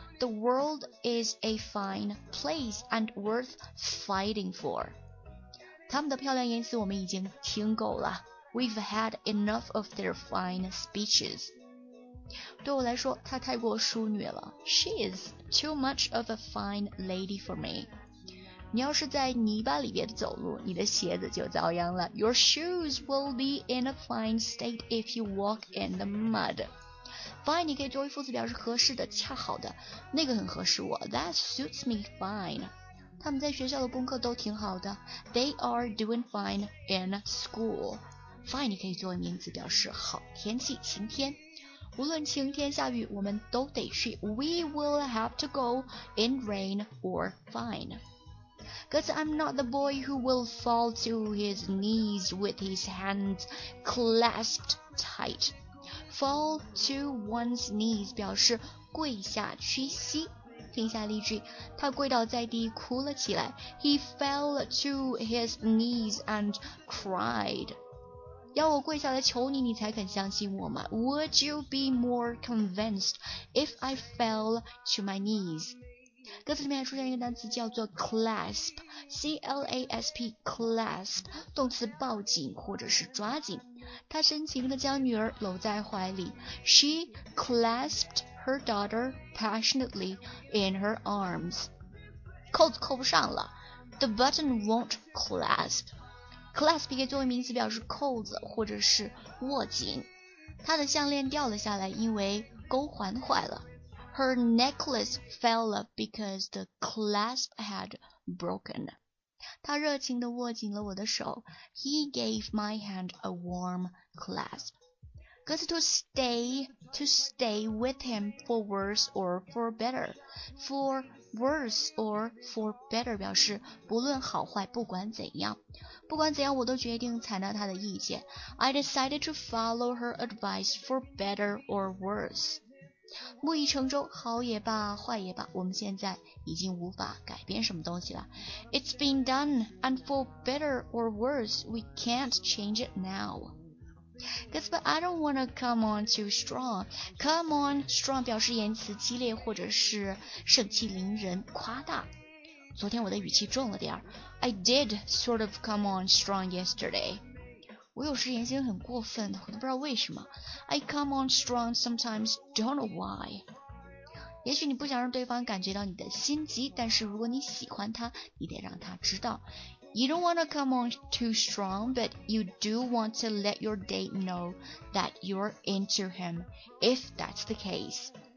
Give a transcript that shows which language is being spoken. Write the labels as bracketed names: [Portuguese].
[English] The world is a fine place and worth fighting for， [Chinese] 他们的漂亮言辞我们已经听够了， [English] We've had enough of their fine speeches， [Chinese] 对我来说她太过淑女了， [English] She is too much of a fine lady for me， [Chinese] 你要是在泥巴里边走路，你的鞋子就遭殃了。 [English] Your shoes will be in a fine state if you walk in the mud. [Chinese] Fine 你可以作为副词表示合适的、恰好的，那个很合适我。 [English] That suits me fine. [Chinese] 他们在学校的功课都挺好的。 [English] They are doing fine in school. Fine [Chinese] 你可以作为名词表示好天气、晴天。无论晴天下雨，我们都得去。 [English] We will have to go in rain or fine. Because I'm not the boy who will fall to his knees with his hands clasped tight. [Chinese] Fall to one's knees 表示跪下屈膝。听下例句，他跪倒在地哭了起来。 [English] He fell to his knees and cried. [Chinese] 要我跪下来求你，你才肯相信我吗？ [English] Would you be more convinced if I fell to my knees? [Chinese] 歌词里面出现一个单词叫做 clasp, C-L-A-S-P, clasp, 动词抱紧或者是抓紧。她深情地将女儿搂在怀里。 [English] She clasped her daughter passionately in her arms. [Chinese] 扣子扣不上了。 [English] The button won't clasp. [Chinese] Clasp 可以作为名词表示扣子或者是握紧。她的项链掉了下来，因为钩环坏了。 [English] Her necklace fell up because the clasp had broken. [Chinese] 他热情地握紧了我的手。 [English] He gave my hand a warm clasp. 歌词 to stay with him for worse or for better. [Chinese] For worse or for better 表示不论好坏，不管怎样。不管怎样，我都决定采纳他的意见。 [English] I decided to follow her advice for better or worse. [Chinese] 木已成舟，好也罢，坏也罢，我们现在已经无法改变什么东西了。 [English] It's been done, and for better or worse, we can't change it now. Guess, but I don't want to come on too strong. [Chinese] Come on strong 表示言辞激烈或者是盛气凌人、夸大。昨天我的语气重了点儿。 [English] I did sort of come on strong yesterday. [Chinese] 我有时言行很过分的，我都不知道为什么。 [English] I come on strong sometimes, don't know why. [Chinese] 也许你不想让对方感觉到你的心急，但是如果你喜欢他，你得让他知道。 [English] You don't want to come on too strong, but you do want to let your date know that you're into him, if that's the case.